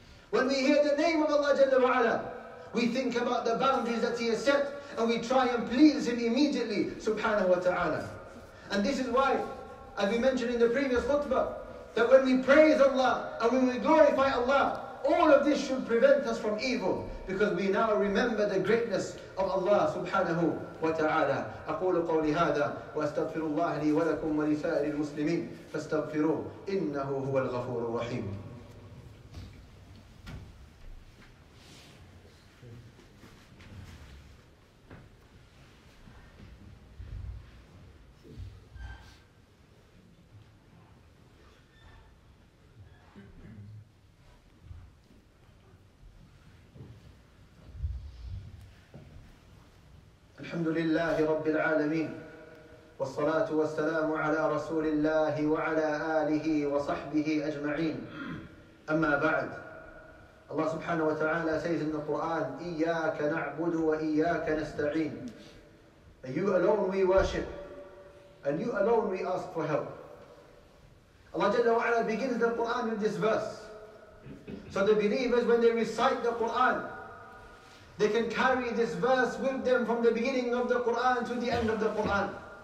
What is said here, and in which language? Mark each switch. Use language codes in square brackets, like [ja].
[en] When we hear the name of Allah Jalla wa'ala, we think about the boundaries that He has set, and we try and please Him immediately subhanahu wa ta'ala. And this is why, as we mentioned in the previous khutbah, that when we praise Allah and when we glorify Allah, all of this should prevent us from evil, because we now remember the greatness of Allah subhanahu wa ta'ala. [ar] أقول قولي هذا وأستغفر الله لي ولكم ولسائر المسلمين فاستغفروه إنه هو الغفور الرحيم. الحمد لله رب العالمين, والصلاة والسلام على رسول الله وعلى آله وصحبه أجمعين. أما بعد, الله سبحانه وتعالى [en] says in the Quran, [ar] إياك نعبد وإياك نستعين. [en] And you alone we worship, and you alone we ask for help. Allah جل وعلا begins the Quran with this verse. So the believers, when they recite the Quran, they can carry this verse with them from the beginning of the Qur'an to the end of the Qur'an.